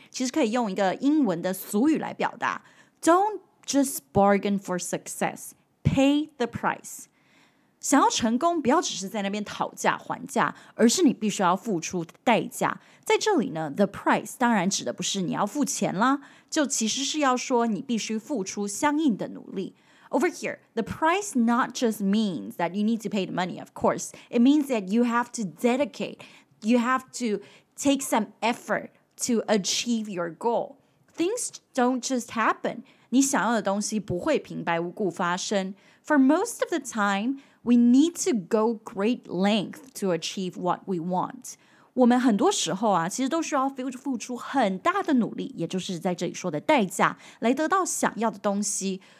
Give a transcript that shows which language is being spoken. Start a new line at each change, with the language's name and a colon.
Chinese: 其实可以用一个英文的俗语来表达。
English: Don't just bargain for success, pay the price.
Chinese: 想要成功，不要只是在那边讨价还价，而是你必须要付出代价。在这里呢，the price当然指的不是你要付钱啦，就其实是要说你必须付出相应的努力。
English: Over here, the price not just means that you need to pay the money, of course. It means that you have to dedicate, you have to take some effort to achieve your goal. Things don't just happen.
Chinese: 你想要的东西不会平白无故发生.
English: For most of the time, we need to go great length to achieve what we want.
Chinese: 我们很多时候啊，其实都需要付出很大的努力，也就是在这里说的代价，来得到想要的东西。